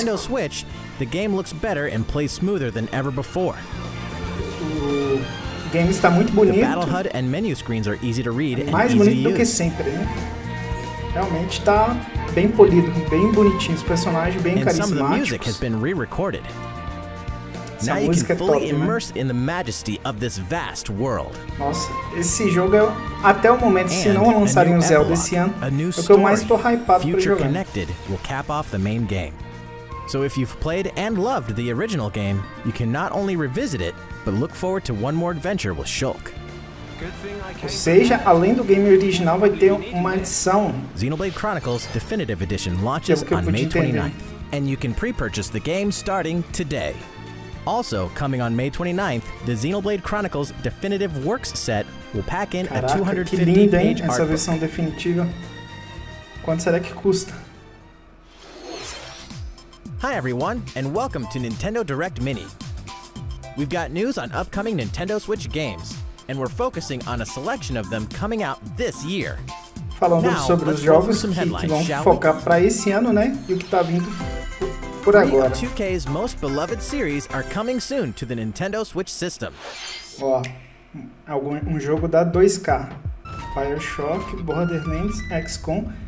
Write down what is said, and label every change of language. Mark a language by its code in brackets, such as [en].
[en] Nintendo Switch, the game looks better and plays smoother than ever before. [pt] O game está muito bonito. [en] The battle HUD and menu screens are easy to read and [pt] mais [en] easy [pt] bonito [en] to use. [pt] Do que sempre, né? Realmente está bem polido, bem bonitinho, os personagens bem carismáticos. [en] And some of the music has been re-recorded. Now you can fully immerse in the majesty of this vast world. [pt] Nossa, esse jogo até o momento, se não lançarem o Zelda esse ano, é o que eu mais tô hypado para jogar. [en] Future Connected will cap off the main game. So if you've played and loved the original game, you can not only revisit it, but look forward to one more adventure with Shulk. [pt] Ou seja, além do game original, vai ter uma edição. [en] Xenoblade Chronicles Definitive Edition launches on May 29th, and you can pre-purchase the game starting today. Also, coming on May 29th, the Xenoblade Chronicles Definitive Works set will pack in [pt] Caraca, [en] a 250-page artbook. [pt] Essa versão definitiva. Quanto será que custa? [en] Hi everyone, and welcome to Nintendo Direct Mini. We've got news on upcoming Nintendo Switch games, and we're focusing on a selection of them coming out this year. [pt] Falando now, sobre os jogos que vão focar para esse ano, né? E o que tá vindo por agora. [en] 2K's most beloved series are coming soon to the Nintendo Switch system. [pt] Ó, um jogo da 2K. BioShock, Borderlands, XCOM.